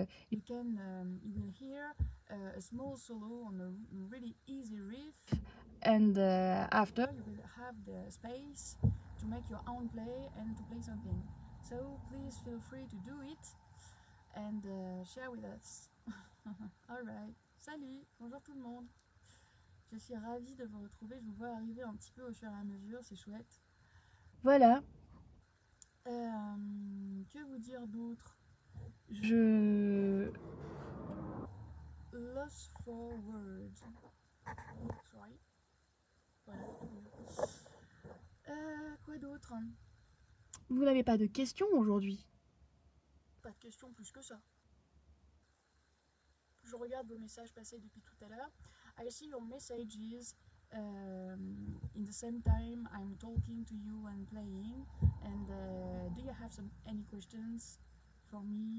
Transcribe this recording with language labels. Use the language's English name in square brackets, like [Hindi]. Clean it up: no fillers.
[English] you will hear a small solo on a really easy riff. And after, you will have the space to make your own play and to play something. So please feel free to do it and share with us. [French] Alright, salut, bonjour tout le monde. Je suis ravie de vous retrouver, je vous vois arriver un petit peu au fur et à mesure, c'est chouette. Voilà. Que vous dire d'autre? Je... [English] Lost for words. Sorry. [French] Voilà. Quoi d'autre? Vous n'avez pas de questions aujourd'hui? Pas de questions plus que ça. Je regarde vos messages passés depuis tout à l'heure. [English] I see your messages in the same time I'm talking to you and playing. And do you have any questions for me?